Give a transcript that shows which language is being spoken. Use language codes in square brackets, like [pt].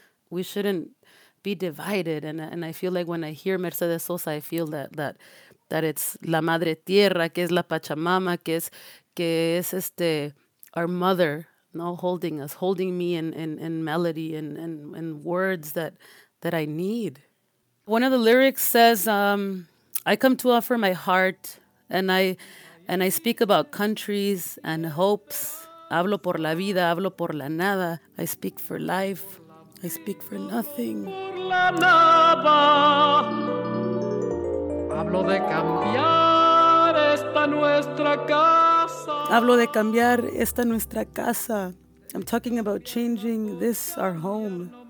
[en] We shouldn't be divided. And I feel like when I hear Mercedes Sosa, I feel that it's [es] la madre tierra, que es [en] la Pachamama, que es our mother, no, holding us, holding me in melody and words that I need. One of the lyrics says, I come to offer my heart, and I speak about countries and hopes. [es] Hablo por la vida, hablo por la nada. [en] I speak for life, I speak for nothing. [es] Por la nada. Hablo de cambiar esta nuestra casa. Hablo de cambiar esta nuestra casa. [en] I'm talking about changing this, our home.